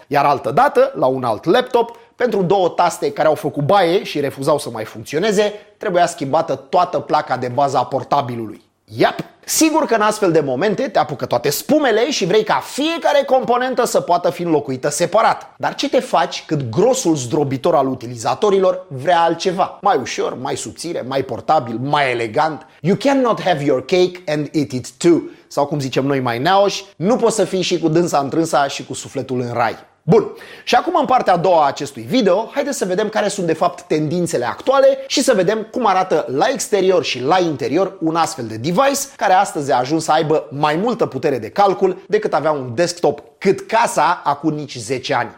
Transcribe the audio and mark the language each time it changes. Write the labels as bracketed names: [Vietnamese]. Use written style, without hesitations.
[Romanian] Iar altă dată, la un alt laptop, pentru două taste care au făcut baie și refuzau să mai funcționeze, trebuia schimbată toată placa de bază a portabilului. Yep. Sigur că în astfel de momente te apucă toate spumele și vrei ca fiecare componentă să poată fi înlocuită separat. Dar ce te faci când grosul zdrobitor al utilizatorilor vrea altceva? Mai ușor, mai subțire, mai portabil, mai elegant? [English] You cannot have your cake and eat it too. [Romanian] Sau cum zicem noi mai neoși, nu poți să fii și cu dânsa întrânsa și cu sufletul în rai. Bun, și acum în partea a doua a acestui video, haideți să vedem care sunt de fapt tendințele actuale și să vedem cum arată la exterior și la interior un astfel de device care astăzi a ajuns să aibă mai multă putere de calcul decât avea un desktop cât casa acum nici 10 ani.